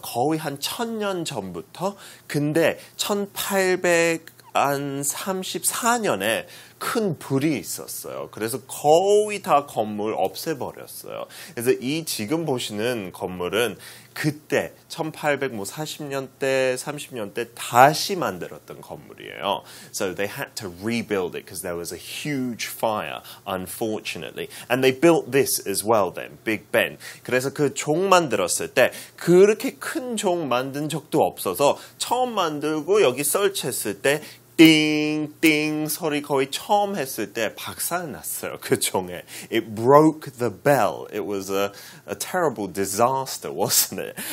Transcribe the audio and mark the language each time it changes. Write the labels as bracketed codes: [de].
[ko] 거의 한 1000년 전부터. 근데 1834년에 큰 불이 있었어요. 그래서 거의 다 건물 없애버렸어요. 그래서 이 지금 보시는 건물은 그때 1840년대, 30년대 다시 만들었던 건물이에요. [en] So they had to rebuild it because there was a huge fire, unfortunately. And they built this as well then, Big Ben. [ko] 그래서 그 종 만들었을 때 그렇게 큰 종 만든 적도 없어서 처음 만들고 여기 설치했을 때 띵, 띵, 소리 거의 처음 했을 때 박살 났어요, 그 종에. [en] It broke the bell. It was a terrible disaster, wasn't it?